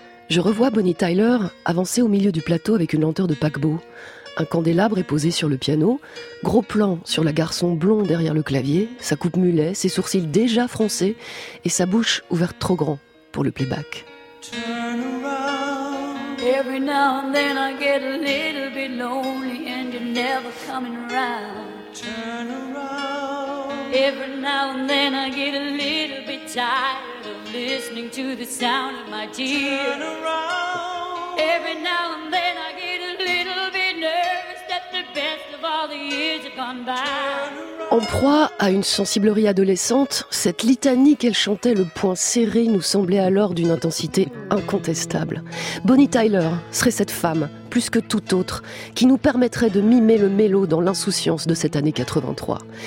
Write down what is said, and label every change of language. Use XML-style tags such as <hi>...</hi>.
<fr>Je revois Bonnie Tyler avancer au milieu du plateau avec une lenteur de paquebot. Un candélabre est posé sur le piano, gros plan sur la garçon blond derrière le clavier, sa coupe mulet, ses sourcils déjà froncés et sa bouche ouverte trop grand pour le playback.</fr> <en>Every now and then I get a little bit lonely and you're never coming around. Turn around. Every now and then I get a little bit tired of listening to the sound of my tears. Turn around. Every now and then I get a little bit nervous that the best of all the years have gone by.</en> <fr>En proie à une sensiblerie adolescente, cette litanie qu'elle chantait le poing serré nous semblait alors d'une intensité incontestable. Bonnie Tyler serait cette femme, plus que toute autre, qui nous permettrait de mimer le mélo dans l'insouciance de cette année 83.</fr>